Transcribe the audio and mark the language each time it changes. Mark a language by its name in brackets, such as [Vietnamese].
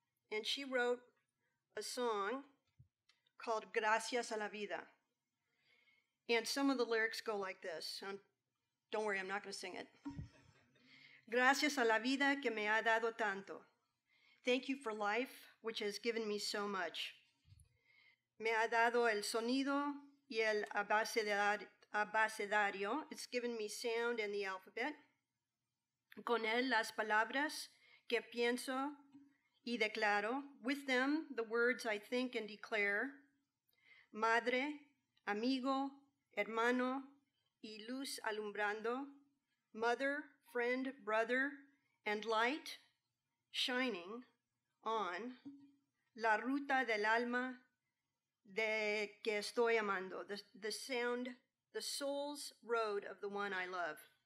[English] And she wrote a song called Gracias a la Vida. And some of the lyrics go like this. Don't worry, I'm not going to sing it. [Spanish] Gracias a la vida que me ha dado tanto. [English] Thank you for life, which has given me so much. [Spanish] Me ha dado el sonido y el abecedario. [English] It's given me sound and the alphabet. [Spanish] Con él las palabras que pienso y declaro. [English] With them, the words I think and declare. [Spanish] Madre, amigo, hermano, y luz alumbrando. [English] Mother, friend, brother, and light shining on [Spanish] la ruta del alma de que estoy amando, [English] the sound, the soul's road of the one I love.